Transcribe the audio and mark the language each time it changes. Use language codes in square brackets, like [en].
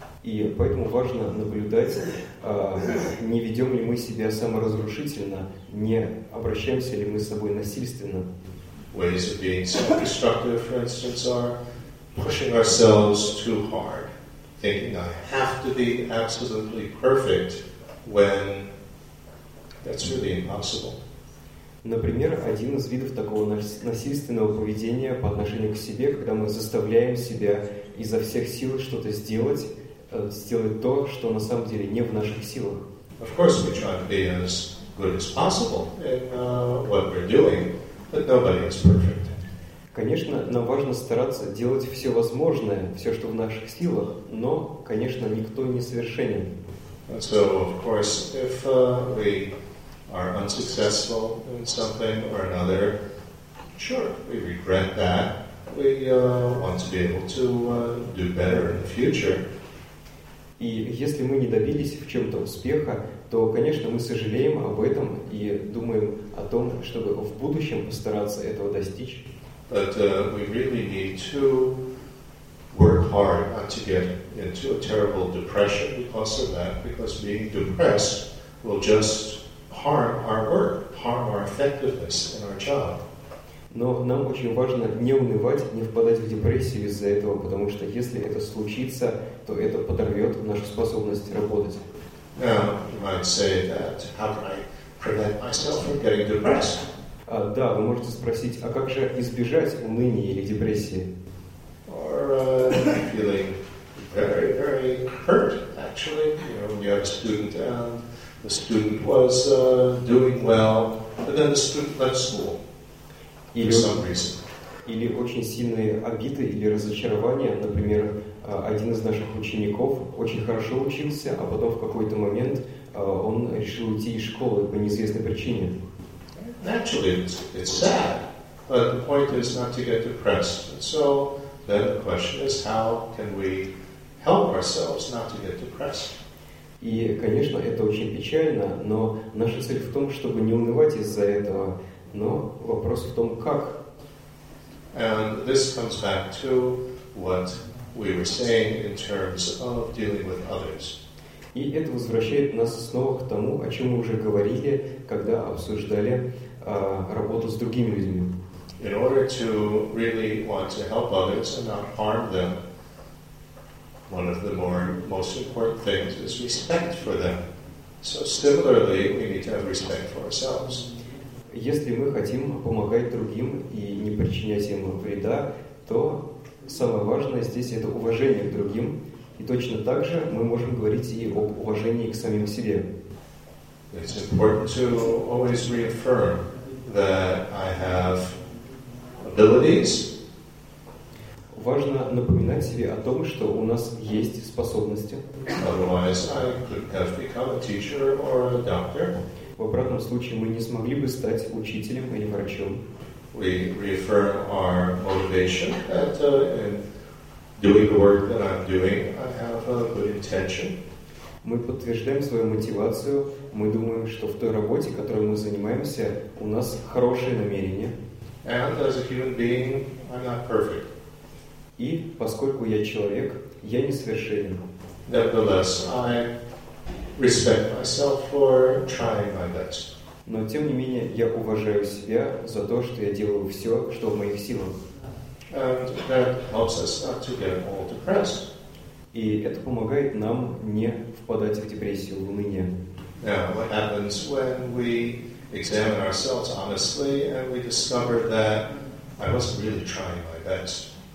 [ru] И поэтому важно наблюдать, не ведем ли мы себя саморазрушительно, не обращаемся ли мы с собой насильственно. [en] Ways of being self-destructive, for instance, are pushing ourselves too hard, thinking I have to be absolutely perfect when that's really impossible. [ru] Например, один из видов такого насильственного поведения по отношению к себе, когда мы заставляем себя изо всех сил что-то сделать, сделать то, что на самом деле не в наших силах. [en] Of course, we try to be as good as possible in what we're doing, but nobody is perfect. [ru] Конечно, нам важно стараться делать все возможное, все, что в наших силах, но, конечно, никто не совершенен. [en] And so, of course, if we are unsuccessful in something or another, sure, we regret that. We want to be able to do better in the future. [ru] И если мы не добились в чем-то успеха, то, конечно, мы сожалеем об этом и думаем о том, чтобы в будущем постараться этого достичь. [en] But we really need to work hard not to get into a terrible depression because of that, because being depressed will just harm our work, harm our effectiveness in our job. [ru] Но нам очень важно не унывать, не впадать в депрессию из-за этого, потому что если это случится, то это подорвет нашу способность работать. [en] Now, you might say that, how can I prevent myself from getting depressed? [ru] Да, вы можете спросить, а как же избежать уныния или депрессии? [en] Or feeling very, very hurt, actually. You know, when you have a student and the student was doing well, but then the student left school. [ru] Или очень сильные обиды или разочарования. Например, один из наших учеников очень хорошо учился, а потом в какой-то момент он решил уйти из школы по неизвестной причине. [en] Actually, it's sad, but the point is not to get depressed. And so then the question is, how can we help ourselves not to get depressed? [ru] И, конечно, это очень печально, но наша цель в том, чтобы не унывать из-за этого. Но вопрос в том, как. [en] And this comes back to what we were saying in terms of dealing with others. [ru] И это возвращает нас снова к тому, о чем мы уже говорили, когда обсуждали работу с другими людьми. [en] In order to really want to help others and not harm them, one of the most important things is respect for them. So similarly, we need to have respect for ourselves. [ru] Если мы хотим помогать другим и не причинять им вреда, то самое важное здесь — это уважение к другим. И точно так же мы можем говорить и об уважении к самим себе. [en] It's important to always reaffirm that I have abilities. [ru] Важно напоминать себе о том, что у нас есть способности. [en] Otherwise, I could have become a teacher or a doctor. [ru] В обратном случае мы не смогли бы стать учителем или врачом. [en] We reaffirm our motivation that in doing the work that I'm doing, I have a good intention. [ru] Мы подтверждаем свою мотивацию. Мы думаем, что в той работе, которой мы занимаемся, у нас хорошие намерения. [en] And as a human being, I'm not perfect. [ru] И поскольку я человек, я несовершенен. [en] Nevertheless, I respect myself for trying my best. [ru] Но тем не менее я уважаю себя за то, что я делаю все, что в моих силах. [en] And that helps us not to get all depressed. [ru] И это помогает нам не впадать в депрессию, в уныние. [en] Now, what happens when we examine ourselves honestly and we discover that I wasn't really trying my best?